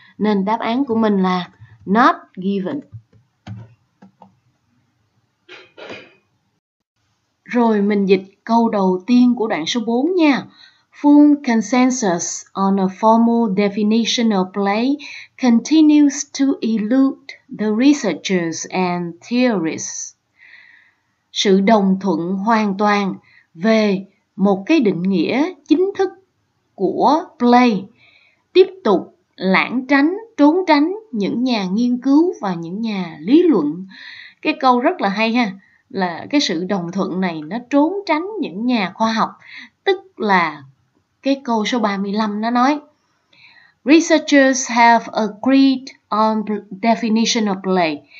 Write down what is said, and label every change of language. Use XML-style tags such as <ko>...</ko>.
<vi>Nên đáp án của mình là not given. Rồi mình dịch câu đầu tiên của đoạn số 4 nha.</vi> <en>Full consensus on a formal definition of play continues to elude the researchers and theorists.</en> <vi>Sự đồng thuận hoàn toàn về một cái định nghĩa chính thức của play tiếp tục lảng tránh trốn tránh những nhà nghiên cứu và những nhà lý luận. Cái câu rất là hay ha, là cái sự đồng thuận này nó trốn tránh những nhà khoa học, tức là cái câu số 35 nó nói</vi> <en>"Researchers have agreed on definition of play."</en>